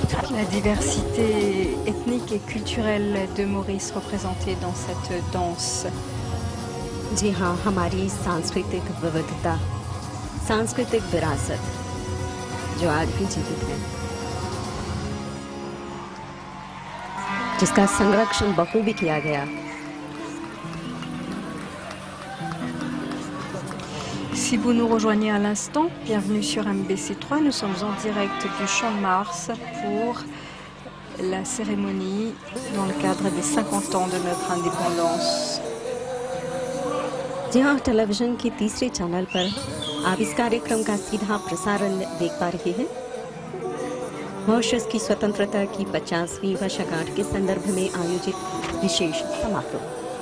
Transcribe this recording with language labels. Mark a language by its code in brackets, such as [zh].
[fr] la diversité ethnique et culturelle de Maurice représentée dans cette danse. [hi] जी हाँ हमारी सांस्कृतिक विविधता सांस्कृतिक विरासत जो आज भी जीवित है जिसका संरक्षण बखूबी किया गया [fr] Si vous nous rejoignez à l'instant, bienvenue sur MBC3. Nous sommes en direct du Champ de Mars pour la cérémonie dans le cadre des 50 ans de notre indépendance. [hi] जी हाँ, टेलीविजन के तीसरे चैनल पर आप इस कार्यक्रम का सीधा प्रसारण देख पा रहे हैं। मॉरिशस की स्वतंत्रता की 50वीं वर्षगांठ के संदर्भ में आयोजित विशेष समारोह।